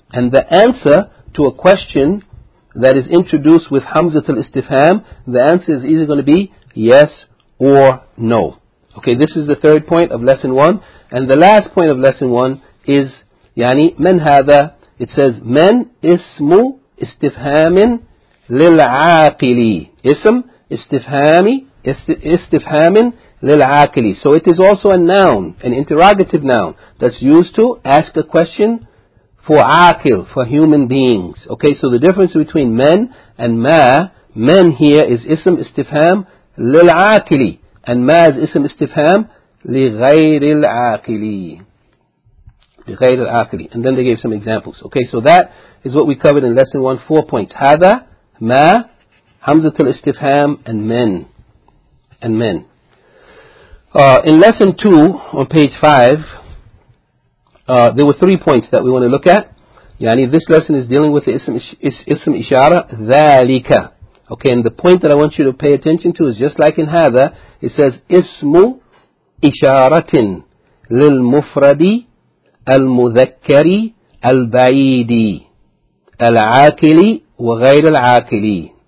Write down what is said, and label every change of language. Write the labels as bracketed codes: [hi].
[en] And the answer to a question that is introduced with Hamzatul Istifham, the answer is either going to be yes or no. Okay, this is the third point of lesson one. And the last point of lesson one is, [ar] يعني من هذا؟ [en] It says, [ar] من اسم استفهام للعاقل. اسم استفهامي استفهام للعاقل. [en] So it is also a noun, an interrogative noun, that's used to ask a question for عاقل, for human beings. Okay, so the difference between من and ما, من here is [ar] اسم استفهام للعاقل. And ما is اسم استفهام لغير العاقل. لغير العاقل. [en] And then they gave some examples. Okay, so that is what we covered in lesson 1, 4 points. [ar] هذا, ما, همزة الاستفهام, and من. [en] And men. In lesson 2, on page 5, there were 3 points that we want to look at. يعني this lesson is dealing with the اسم إشارة, ذلك. Okay, and the point that I want you to pay attention to is just like in هذا, it says, [ar] اسم إشارة للمفرد المذكر البعيد العاقل وغير العاقل.